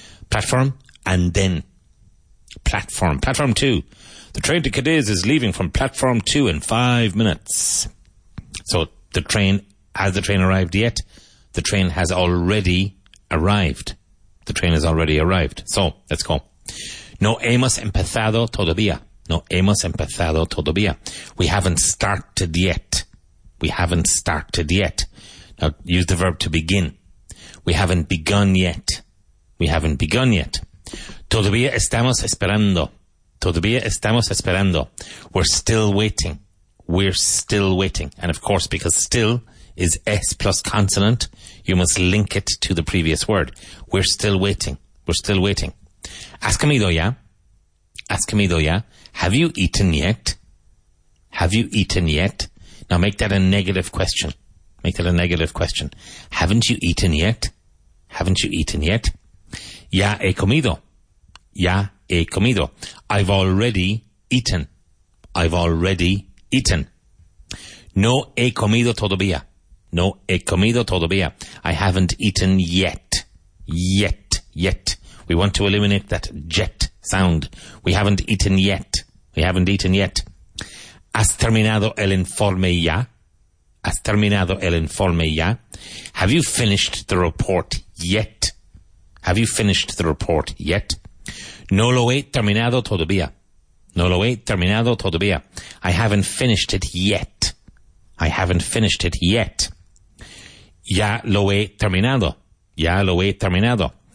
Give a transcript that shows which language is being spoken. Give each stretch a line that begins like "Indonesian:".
English: Platform and then platform. Platform two. The train to Cadiz is leaving from platform 2 in 5 minutes. So the train, has the train arrived yet? The train has already arrived. The train has already arrived. So let's go.
Spanish: No hemos empezado todavía. No hemos empezado todavía.
English: We haven't started yet. We haven't started yet. Now use the verb to begin. We haven't begun yet. We haven't begun yet.
Spanish: Todavía estamos esperando. Todavía estamos esperando.
English: We're still waiting. We're still waiting. And of course, because still is S plus consonant, you must link it to the previous word. We're still waiting. We're still waiting.
Spanish: ¿Has comido ya? ¿Has comido ya?
English: Have you eaten yet? Have you eaten yet? Now make that a negative question. Make that a negative question. Haven't you eaten yet? Haven't you eaten yet?
Spanish: Ya he comido. Ya he comido.
English: I've already eaten. I've already eaten.
Spanish: No he comido todavía. No he comido todavía.
English: I haven't eaten yet. Yet. Yet. We want to eliminate that jet sound. We haven't eaten yet. We haven't eaten yet.
Spanish: ¿Has terminado el informe ya? ¿Has terminado el informe ya?
English: Have you finished the report yet? Have you finished the report yet?
Spanish: No lo he terminado todavía. No lo he terminado todavía.
English: I haven't finished it yet. I haven't finished it yet.
Spanish: Ya lo he terminado. Ya lo he terminado.